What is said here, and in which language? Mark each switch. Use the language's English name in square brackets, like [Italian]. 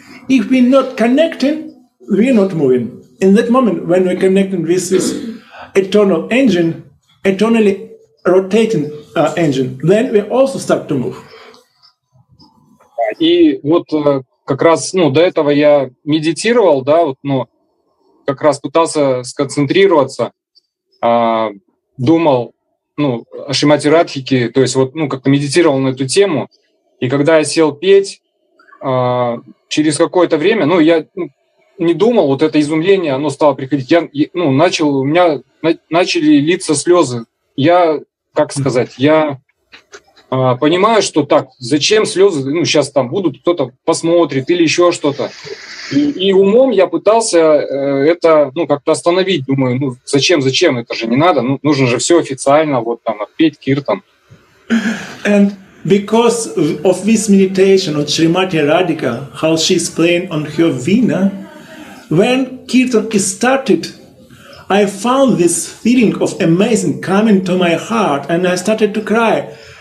[English] If we're not connecting, we're not moving. In that moment, when we're connecting with this eternal engine, eternally rotating engine, then we also start to move. [Russian] И вот как раз, ну, до этого я медитировал, да, вот, но как раз пытался сконцентрироваться, думал, ну, о Шримати Радхике, то есть вот, ну, как-то медитировал на эту тему, и когда я сел петь, через какое-то время, ну, я не думал, вот это изумление, оно стало приходить, начали литься слезы, я, как сказать, я понимаю, что так, зачем слезы, ну, сейчас там будут, кто-то посмотрит или еще что-то. И умом я пытался это, ну, как-то остановить. Думаю, ну зачем, это же не надо. Ну, нужно же все официально, вот там, петь киртан. [English] And because of this meditation on Shrimati Radhika, how she's playing on her vina, when kirtan is started, I found this feeling of amazing coming to my heart, and I started to cry.